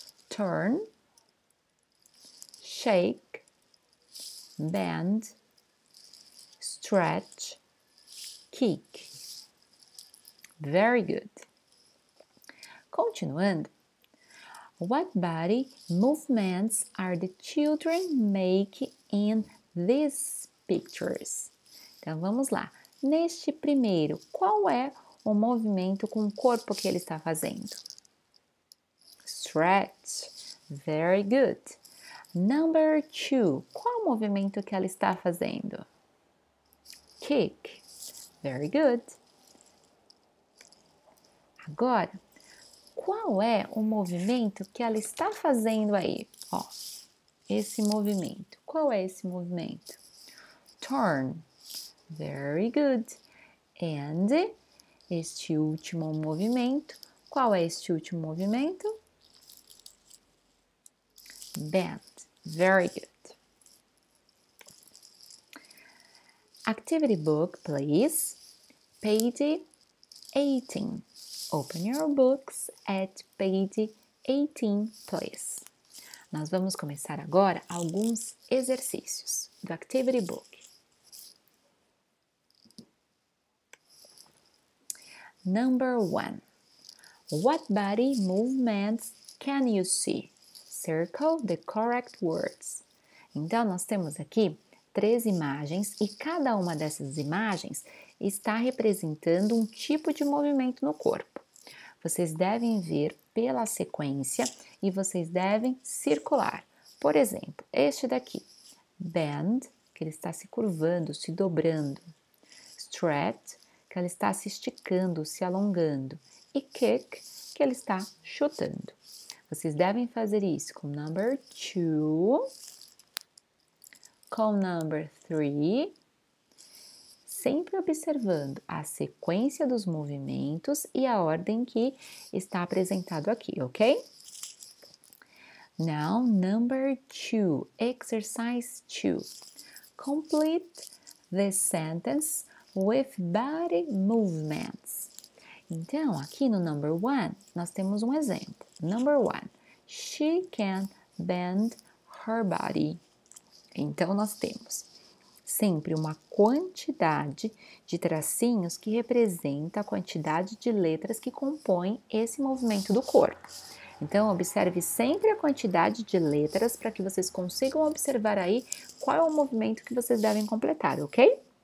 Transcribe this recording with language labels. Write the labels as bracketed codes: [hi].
[en] Turn, shake, bend, stretch, kick. Very good. Continuando. What body movements are the children make in these pictures? [pt] Então vamos lá. Neste primeiro, qual é o movimento com o corpo que ele está fazendo? [en] Correct. Very good. Number two. [pt] Qual o movimento que ela está fazendo? [en] Kick. Very good. [pt] Agora, qual é o movimento que ela está fazendo aí? Ó, esse movimento. Qual é esse movimento? [en] Turn. Very good. [pt] And este último movimento. Qual é este último movimento? [en] Bend. Very good. Activity book, please. Page 18. Open your books at page 18, please. [pt] Nós vamos começar agora alguns exercícios do activity book. [en] Number one. What body movements can you see? Circle the correct words. [pt] Então, nós temos aqui três imagens e cada uma dessas imagens está representando um tipo de movimento no corpo. Vocês devem ver pela sequência e vocês devem circular. Por exemplo, este daqui. Bend, que ele está se curvando, se dobrando. Stretch, que ele está se esticando, se alongando. E kick, que ele está chutando. Vocês devem fazer isso com number two, com number three, sempre observando a sequência dos movimentos e a ordem que está apresentado aqui, ok? [en] Now, number two, exercise two. Complete the sentence with body movements. [pt] Então, aqui no number one, nós temos um exemplo. [en] Number one, she can bend her body. [pt] Então, nós temos sempre uma quantidade de tracinhos que representa a quantidade de letras que compõem esse movimento do corpo. Então, observe sempre a quantidade de letras para que vocês consigam observar aí qual é o movimento que vocês devem completar, ok?